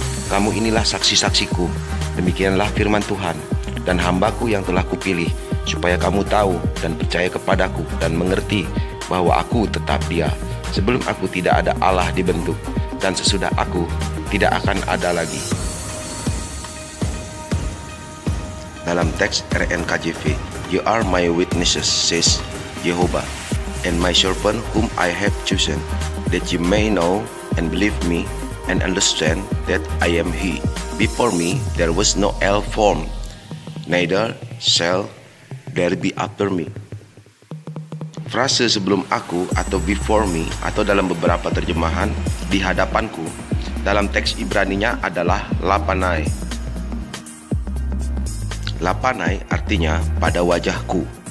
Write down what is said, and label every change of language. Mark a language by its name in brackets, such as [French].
[Indonesian] Kamu inilah saksi-saksi-Ku, demikianlah firman Tuhan, dan hamba-Ku yang telah Kupilih, supaya kamu tahu dan percaya kepada-Ku dan mengerti bahwa Aku tetap Dia. Sebelum Aku tidak ada Allah dibentuk, dan sesudah Aku tidak akan ada lagi. [English] Dalam teks RNKJV, You are my witnesses, says Jehovah, and my servant whom I have chosen, that you may know and believe me, and understand that I am He. Before me, there was no El form, neither shall there be after me. [Indonesian] Frase sebelum aku atau [English] before me, [Indonesian] atau dalam beberapa terjemahan, di hadapanku, dalam teks Ibraninya adalah lapanai. Lapanai artinya pada wajahku.